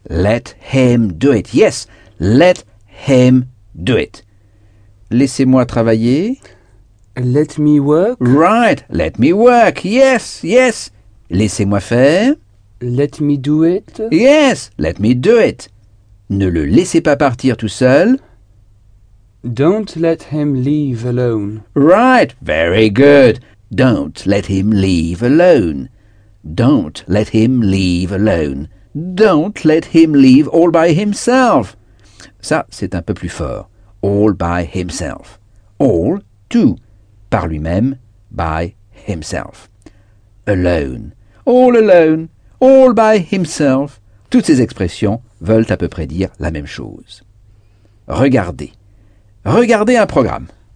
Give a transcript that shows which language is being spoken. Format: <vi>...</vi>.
<en>Let him do it. Yes. Let him do it.</en> <fr>Laissez-moi travailler.</fr> <en>Let me work. Right. Let me work. Yes. Yes.</en> <fr>Laissez-moi faire.</fr> <en>Let me do it. Yes. Let me do it.</en> <fr>Ne le laissez pas partir tout seul.</fr> <en>Don't let him leave alone. Right. Very good. Don't let him leave alone. Don't let him leave alone. Don't let him leave all by himself.</en> <fr>Ça, c'est un peu plus fort.</fr> <en>All by himself. All,</en> <fr>tout, par lui-même,</fr> <en>by himself. Alone. All alone. All by himself.</en> <fr>Toutes ces expressions veulent à peu près dire la même chose. Regardez. Regardez un programme.</fr>